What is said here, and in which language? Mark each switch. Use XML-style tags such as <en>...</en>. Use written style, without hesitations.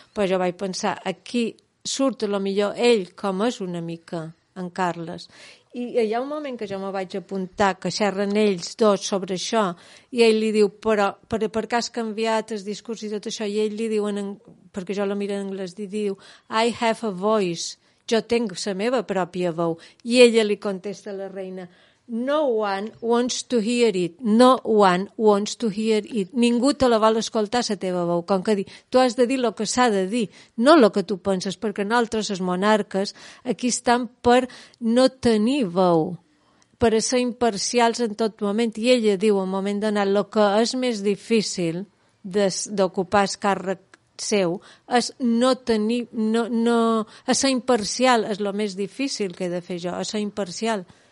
<ca>Però jo vaig pensar, aquí surt a lo millor ell com és una mica en Carles. I hi ha un moment que jo me vaig apuntar que xerren ells dos sobre això i ell li diu, però per què has canviat el discurs i tot això? I ell li diu, perquè jo la miro en anglès, li diu,</ca> <en>I have a voice,</en> <ca>jo tinc la meva pròpia veu. I ella li contesta a la reina,</ca> <en>no one wants to hear it,</en> <ca>no one wants to hear it. Ningú te la vol escoltar, la teva veu. Com que dir, tu has de dir el que s'ha de dir, no el que tu penses, perquè nosaltres, els monarques, aquí estan per no tenir veu, per ser imparcials en tot moment. I ella diu, en un moment donat, el que és més difícil d'ocupar el càrrec seu és no tenir, ser imparcial és el més difícil que he de fer jo, ser imparcial.</ca>